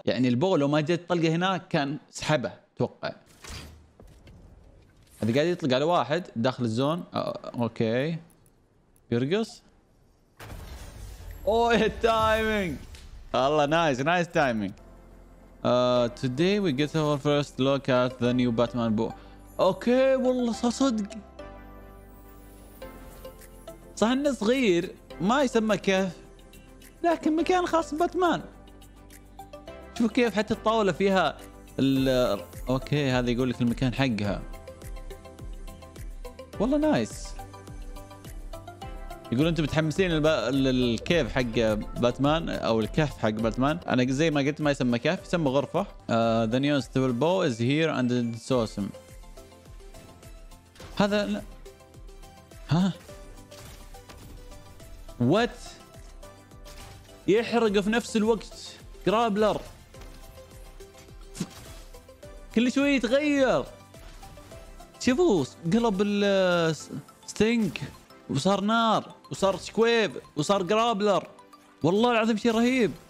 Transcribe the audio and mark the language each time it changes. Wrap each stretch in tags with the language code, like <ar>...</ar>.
<ar>يعني البول وما جت طلقة هناك كان سحبه توقع. هذا قاعد يطلق على واحد داخل الزون. أوكي، يرقص. أوه التايمينج، الله نايس نايس تايمينج.</ar> <en>Today we get our first look at the new Batman book.</en> <ar>اوكي، والله صدق صح انه صغير، ما يسمى كهف، لكن مكان خاص باتمان. شوفوا كيف حتى الطاولة فيها اوكي، هذا يقول لك المكان حقها، والله نايس. يقول انتم متحمسين للكيف حق باتمان او الكهف حق باتمان. انا زي ما قلت ما يسمى كهف، يسمى غرفة.</ar> <en>The new stable bow is here and it's awesome.</en> <ar>هذا ها وات، يحرق في نفس الوقت جرابلر، كل شوي يتغير. شوفوا قلب الستينك وصار نار وصار شكويب وصار جرابلر، والله العظيم شيء رهيب.</ar>